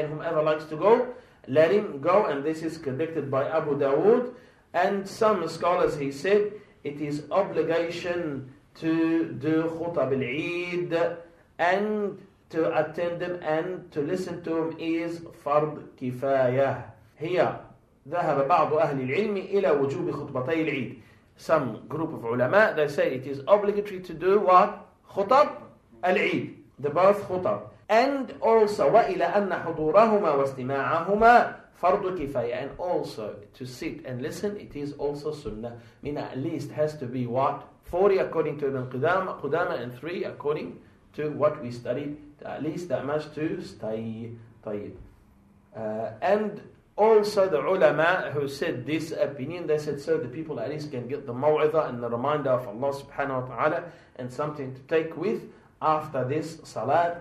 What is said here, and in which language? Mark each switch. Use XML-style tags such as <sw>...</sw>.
<en>And whomever likes to go, let him go. And this is conducted by Abu Dawood. And some scholars, he said, it is obligation to do khutab al-eid and to attend them and to listen to them is fard kifayah. Here,</en> <ar>ذهب بعض أهل العلم إلى وجوب خطبتي العيد.</ar> <en>Some group of ulama, they say it is obligatory to do what?</en> <ar>خطب العيد.</ar> <en>The birth خطب. And also,</en> <ar>وإلى أن حضورهما واستماعهما فرض كفاية.</ar> <en>And also, to sit and listen, it is also sunnah. Mean at least has to be what? 40 according to Ibn Qudama and 3 according to what we studied. At least that much to stay.</en> <ar>طيب.</ar> <en>And also the ulama who said this opinion, they said, so the people at least can get the maw'idah and the reminder of Allah subhanahu wa ta'ala and something to take with after this salat.</en>